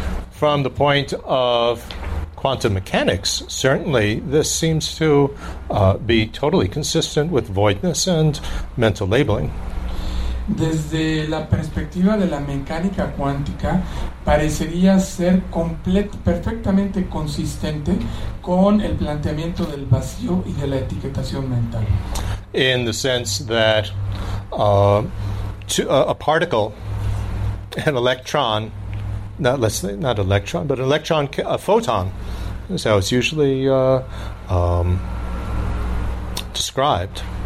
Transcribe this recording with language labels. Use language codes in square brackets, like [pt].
[en] From the point of quantum mechanics, certainly this seems to be totally consistent with voidness and mental labeling. [es] Desde la perspectiva de la mecánica cuántica, parecería ser perfectamente consistente con el planteamiento del vacío y de la etiquetación mental. [en] In the sense that a particle, an electron, an electron, a photon, is how it's usually described.